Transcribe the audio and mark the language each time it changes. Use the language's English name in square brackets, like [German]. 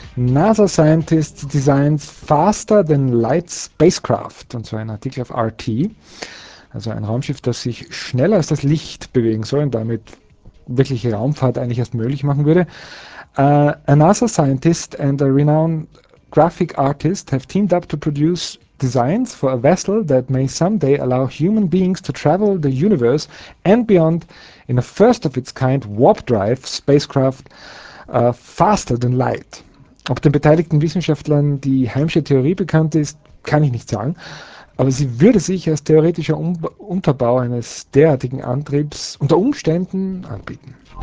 [English] NASA-Scientist designs faster than light spacecraft, [German] und zwar ein Artikel auf RT, also ein Raumschiff, das sich schneller als das Licht bewegen soll und damit wirkliche Raumfahrt eigentlich erst möglich machen würde. [English] A NASA-Scientist and a renowned graphic artist have teamed up to produce designs for a vessel that may someday allow human beings to travel the universe and beyond in a first of its kind warp drive spacecraft faster than light. [German] Ob den beteiligten Wissenschaftlern die Hamsche Theorie bekannt ist, kann ich nicht sagen, aber sie würde sich als theoretischer Unterbau eines derartigen Antriebs unter Umständen anbieten.